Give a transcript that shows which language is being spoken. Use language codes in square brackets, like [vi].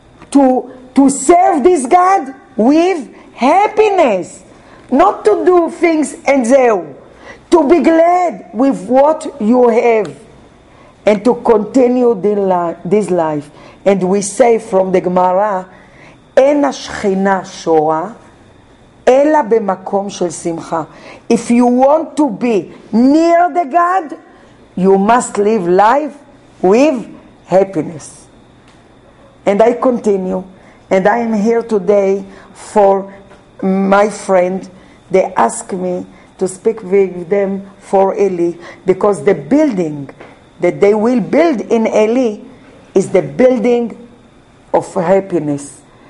[en] To serve this God with happiness. Not to do things and zeo. To be glad with what you have. And to continue this life. [he] And we say from the Gemara, אין השכינה שורה, אלא במקום של שמחה. [en] If you want to be near the God, you must live life with happiness. And I continue. And I am here today for my friend. They ask me to speak with them for Eli, because the building that they will build in Eli is the building of happiness.